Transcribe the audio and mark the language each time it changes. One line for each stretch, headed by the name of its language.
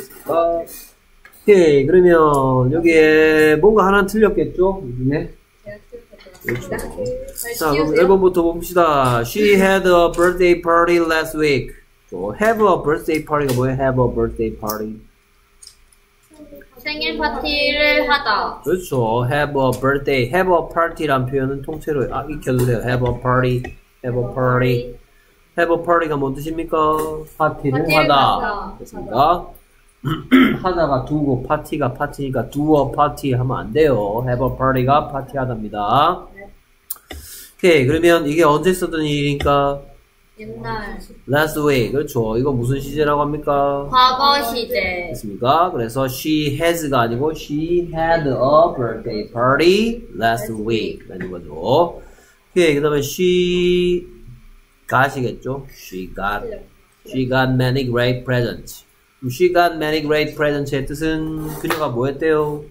Korean: Okay, 그러면 여기에 뭔가 하나 틀렸겠죠? 네. 자, 그럼 1번부터 봅시다.
English: She had a birthday party last week. So, have a birthday party.
Korean: 뭐예요?
English: Have a birthday party.
Korean: 생일 파티를 하다.
English: 그렇죠. Have a birthday. Have a party란
Korean: 표현은 통째로 아 익혀주세요.
English: Have a party. Have a party. Have a party가 뭔 뜻입니까?
Korean: 파티를 하다. 됐습니다. 하다가 두고 파티가 파티니까 두어 파티 하면 안 돼요.
English: Have a party가 파티하답니다.
Korean: 오케이. 그러면 이게 언제 있었던 일입니까? 옛날.
English: Last week. 그렇죠.
Korean: 이거 무슨 시제라고 합니까? 과거 시제. 됐습니까? 그래서
English: she has가 아니고 she had a birthday party last week.
Korean: 라는 거죠. 오케이. 그 다음에 she got이겠죠?
English: She got many great presents. She got many great presents의
Korean: 뜻은 그녀가 뭐 했대요?